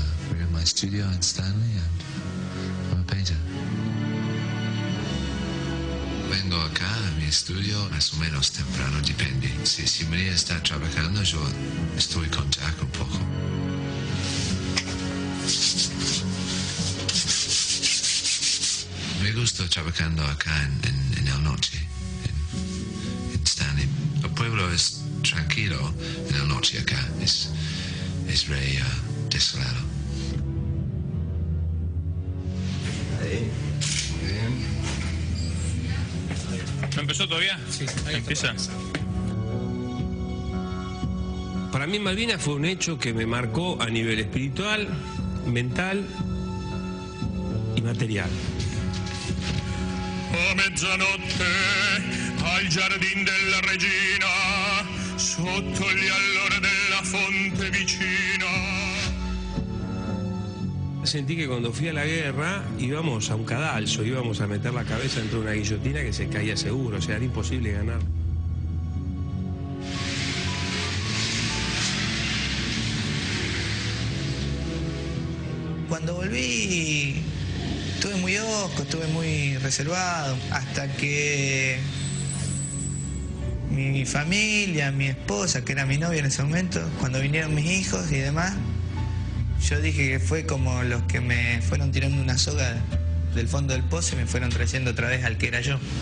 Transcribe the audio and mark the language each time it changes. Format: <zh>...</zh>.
<en>We're in my studio in Stanley, and I'm a painter.</en> <es>Vengo acá a mi estudio más o menos temprano, depende. Si María está trabajando, yo estoy con Jack un poco. Me gusta trabajando acá en la noche, en Stanley. El pueblo es tranquilo en la noche acá. Es rey desolado. Ahí. Muy bien. ¿No empezó todavía? Sí. Ahí empieza. Para mí Malvinas fue un hecho que me marcó a nivel espiritual, mental y material.</es> <it>A mezzanotte al jardín de la regina, sotto gli allori della fonte vicina.</it> <es>Sentí que cuando fui a la guerra íbamos a un cadalso, íbamos a meter la cabeza dentro de una guillotina que se caía seguro, o sea, era imposible ganar. Cuando volví, estuve muy hosco, estuve muy reservado, hasta que mi familia, mi esposa, que era mi novia en ese momento, cuando vinieron mis hijos y demás, yo dije que fue como los que me fueron tirando una soga del fondo del pozo y me fueron trayendo otra vez al que era yo.</es>